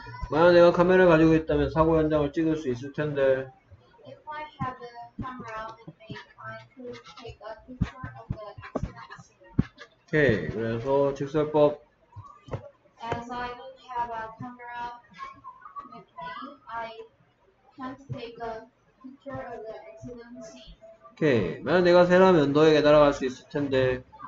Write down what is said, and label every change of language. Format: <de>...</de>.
<ko>만약 내가 카메라 가지고 있다면 사고 현장을 찍을 수 있을 텐데.</ko> <en>If I had a camera with me, I could take a picture of the accident.</en> <ko>Okay, 그래서 직설법.</ko> <en>As I don't have a camera with me, I can't take a picture of the accident scene.</en> <ko>Okay, 만약 내가 새라면 너에게 날아갈 수 있을 텐데.</ko>